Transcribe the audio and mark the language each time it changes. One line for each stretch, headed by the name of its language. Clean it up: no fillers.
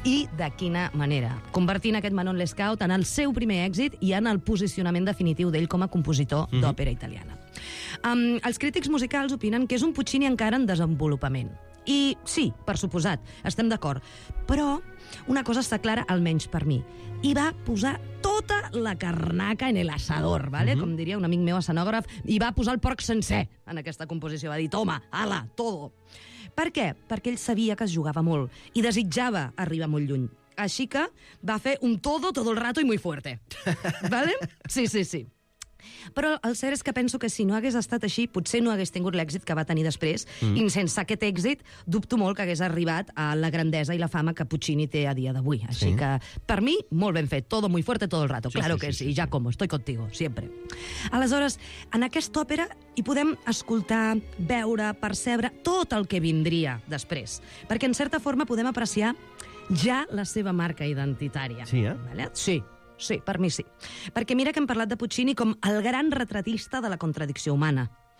Catalan: I de quina manera. Convertint aquest Manon Lescaut en el seu primer èxit i en el posicionament definitiu d'ell com a compositor d'òpera italiana. Els crítics musicals opinen que és un Puccini encara en desenvolupament. I sí, per suposat, estem d'acord. Però una cosa està clara, almenys per mi. I va posar tota la carnaca
Spanish: en el asador,
Catalan: ¿vale? Com diria un amic meu escenògraf, i va posar el porc sencer en aquesta composició. Va dir,
Spanish: toma, ala, todo.
Catalan: Per què? Perquè ell sabia que es jugava molt i desitjava arribar molt lluny. Així que va fer un
Spanish: todo, todo el rato y muy fuerte. ¿Vale? Sí.
Catalan: Però el cert és que penso que si no hagués estat així, potser no hagués tingut l'èxit que va tenir després. I sense aquest èxit, dubto molt que hagués arribat a la grandesa i la fama que Puccini té a dia d'avui. Així que, per mi, molt ben fet.
Spanish: Todo muy fuerte todo el rato. Sí, claro que sí. Giacomo, estoy contigo, siempre.
Catalan: Aleshores, en aquesta òpera hi podem escoltar, veure, percebre tot el que vindria després. Perquè, en certa forma, podem apreciar ja la seva marca identitària. Sí, eh? Vale? Sí, per mi sí. Perquè mira que hem parlat de Puccini com el gran retratista de la contradicció humana.